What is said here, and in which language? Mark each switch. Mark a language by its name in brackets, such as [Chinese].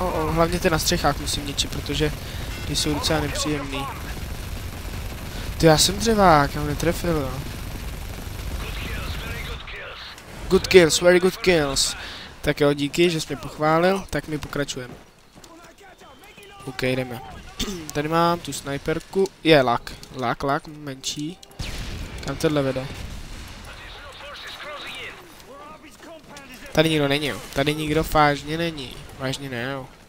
[Czech] Hlavně ty na střechách musím ničit, protože ty jsou docela nepříjemný. Ty, já jsem dřevák, já ho netrefil. [English] Good kills, very good kills. [Czech] Tak jo, díky, že jsi mě pochválil, tak my pokračujeme. OK, jdeme. Tady mám tu sniperku. Je, lak, menší. Kam tohle vede? Tady nikdo není, jo. Tady nikdo vážně není. Vážně ne, jo.